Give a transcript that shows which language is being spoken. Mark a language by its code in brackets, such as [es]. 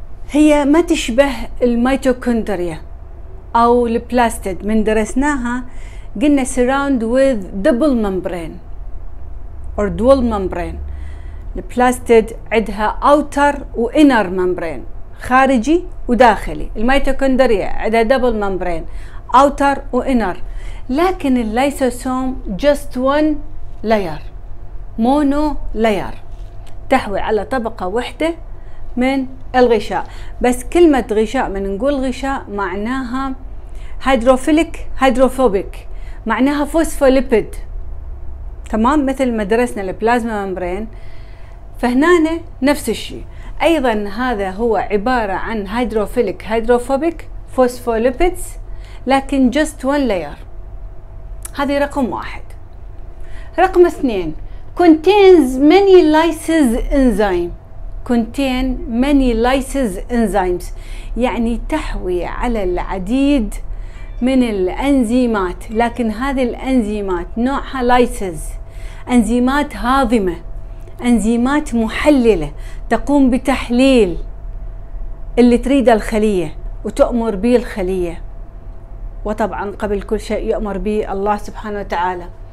[ar] هي ما تشبه الميتوكوندريا او البلاستيد من درسناها، قلنا [en] surround with double membrane or dual membrane. [ar] البلاستيد عندها outer و inner membrane، خارجي وداخلي. الميتوكوندريا عندها double membrane، outer و inner. لكن اللايسوسوم [en] just one layer، mono layer، [ar] تحوي على طبقة واحدة من الغشاء. بس كلمة غشاء من نقول غشاء معناها هيدروفيليك هيدروفوبيك، معناها فوسفوليبيد، تمام؟ مثل ما درسنا البلازما ممبرين، فهنا نفس الشيء ايضا. هذا هو عبارة عن هيدروفيليك هيدروفوبيك فوسفوليبيدز، لكن [en] just one layer. [ar] هذه رقم واحد. [en] رقم اثنين، contains many lysis enzymes. contain many lysis enzymes [ar] يعني تحوي على العديد من الانزيمات، لكن هذه الانزيمات نوعها lysis، انزيمات هاضمة، انزيمات محللة تقوم بتحليل اللي تريده الخلية وتؤمر به الخلية، وطبعا قبل كل شيء يؤمر به الله سبحانه وتعالى.